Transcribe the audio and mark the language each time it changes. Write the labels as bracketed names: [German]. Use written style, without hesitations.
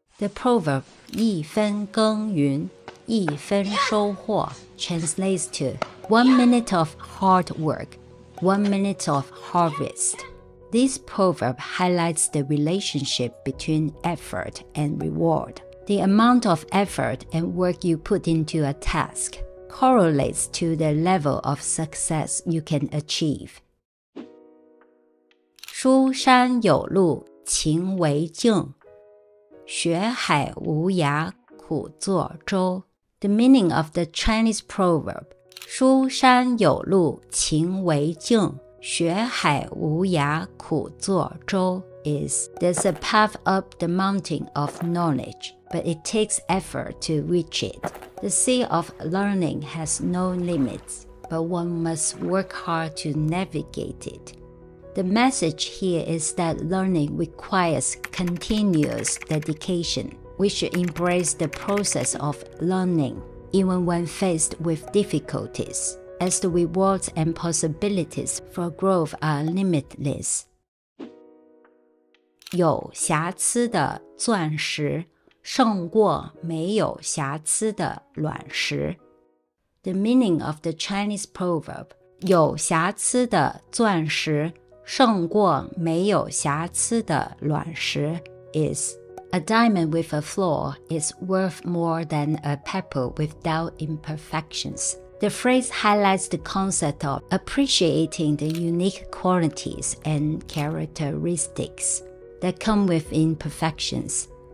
[English] The proverb [Chinese] 一分耕耘一分收获 [English] translates to 1 minute of hard work, 1 minute of harvest. This proverb highlights the relationship between effort and reward. The amount of effort and work you put into a task correlates to the level of success you can achieve. [Chinese] 书山有路勤为径，学海无涯苦作舟。 [English] The meaning of the Chinese proverb, [Chinese] 书山有路勤为径，学海无涯苦作舟 [English] is, there's a path up the mountain of knowledge, but it takes effort to reach it. The sea of learning has no limits, but one must work hard to navigate it. The message here is that learning requires continuous dedication. We should embrace the process of learning, even when faced with difficulties, as the rewards and possibilities for growth are limitless. [Chinese] 有瑕疵的钻石胜过没有瑕疵的卵石。 [English] The meaning of the Chinese proverb, [Chinese] 有瑕疵的钻石胜过没有瑕疵的卵石 [English] is A diamond with a flaw is worth more than a pebble without imperfections. The phrase highlights the concept of appreciating the unique qualities and characteristics that come with imperfections.